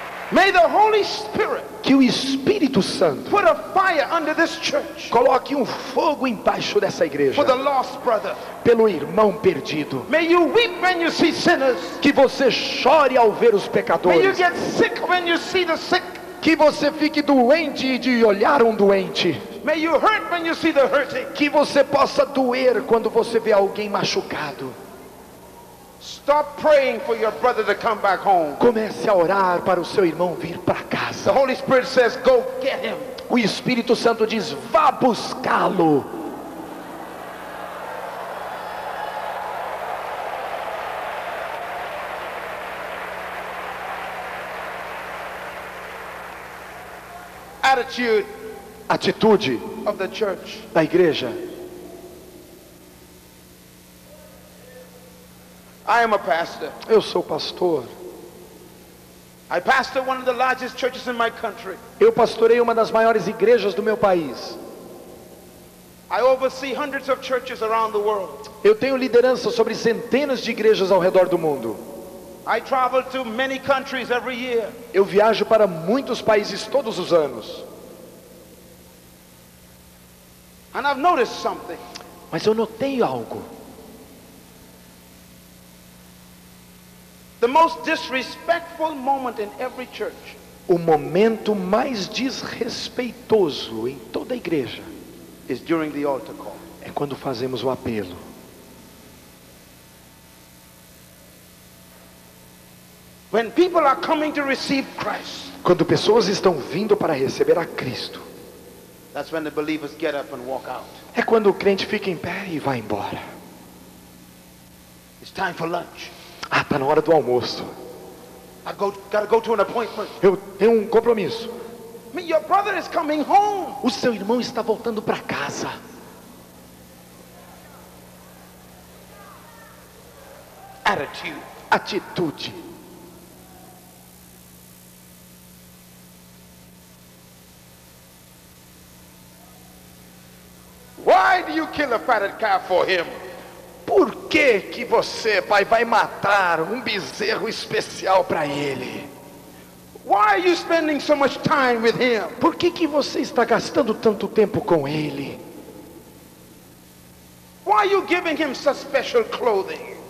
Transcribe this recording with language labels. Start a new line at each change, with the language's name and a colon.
English: May the Holy Spirit.
Portuguese: Que o Espírito Santo
English: put a fire under this church.
Portuguese: Coloque um fogo embaixo dessa igreja.
English: For the lost brother.
Portuguese: Pelo irmão perdido.
English: May you weep when you see sinners.
Portuguese: Que você chore ao ver os pecadores.
English: May you get sick when you see the sick.
Portuguese: Que você fique doente de olhar um doente.
English: May you hurt when you see the hurting.
Portuguese: Que você possa doer quando você vê alguém machucado.
English: Stop praying for your brother to come back home.
Portuguese: Comece a orar para o seu irmão vir para casa.
English: The Holy Spirit says, "Go get him."
Portuguese: O Espírito Santo diz, vá buscá-lo.
English: Attitude.
Portuguese: Atitude.
English: Of the church.
Portuguese: Da igreja.
English: I am a pastor.
Portuguese: Eu sou pastor.
English: I pastor one of the largest churches in my country.
Portuguese: Eu pastorei uma das maiores igrejas do meu país.
English: I oversee hundreds of churches around the world.
Portuguese: Eu tenho liderança sobre centenas de igrejas ao redor do mundo.
English: I travel to many countries every year.
Portuguese: Eu viajo para muitos países todos os anos.
English: And I've noticed something.
Portuguese: Mas eu notei algo.
English: The most disrespectful moment in every church.
Portuguese: O momento mais desrespeitoso em toda a igreja
English: is during the altar call.
Portuguese: É quando fazemos o apelo.
English: When people are coming to receive Christ.
Portuguese: Quando pessoas estão vindo para receber a Cristo.
English: That's when the believers get up and walk out.
Portuguese: É quando o crente fica em pé e vai embora.
English: It's time for lunch.
Portuguese: Ah, está na hora do almoço.
English: I go, gotta go to an appointment.
Portuguese: Eu tenho um compromisso.
English: Your brother is coming home.
Portuguese: O seu irmão está voltando para casa.
English: Attitude.
Portuguese: Atitude.
English: Why do you kill a fatted calf for him?
Portuguese: Por que que você, pai, vai matar um bezerro especial para ele?
English: Why are you spending so much time with him?
Portuguese: Por que que você está gastando tanto tempo com ele?
English: Why are you giving him such special clothing?